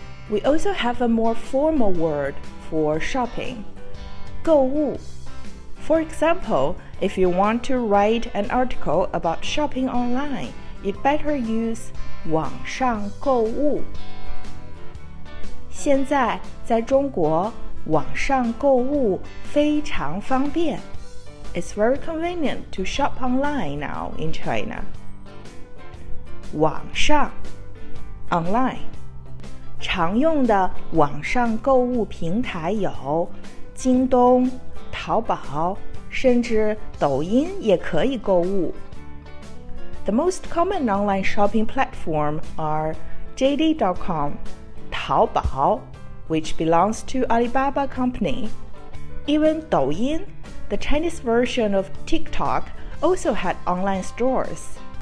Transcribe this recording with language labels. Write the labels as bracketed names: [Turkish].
[English] We also have a more formal word for shopping, 购物. For example, if you want to write an article about shopping online, you'd better use 网上购物. [Chinese] 现在在中国网上购物非常方便。 [English] It's very convenient to shop online now in China. [Chinese] 网上 online 常用的网上购物平台有京东、淘宝，甚至抖音也可以购物。 [English] The most common online shopping platform are JD.com, 淘宝。 Which belongs to Alibaba company. Even Douyin, the Chinese version of TikTok, also had online stores.